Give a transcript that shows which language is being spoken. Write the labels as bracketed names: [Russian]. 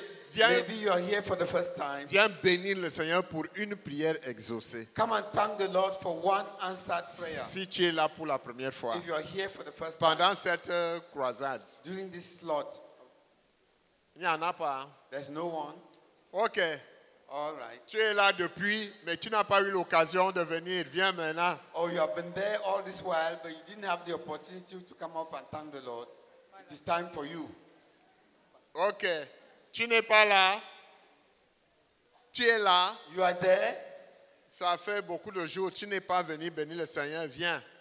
[French] Viens bénir le Seigneur pour une prière exaucée. [English] Come and thank the Lord for one answered prayer. [French] Si tu es là pour la première fois, [English] if you are here for the first [French] pendant [English] time, [French] cette croisade, [English] during this slot, [French] il n'y en a pas. [English] There's no one. [French] Ok. [English] All right. [French] Tu es là depuis, mais tu n'as pas eu l'occasion de venir. Viens maintenant. [English] Oh, you have been there all this while, but you didn't have the opportunity to come up and thank the Lord. It is time for you. [French] Ok. Tu n'es pas là. Tu es là. [English] You are there. [French] Ça fait beaucoup de jours. Tu n'es pas venu bénir le Seigneur. Viens.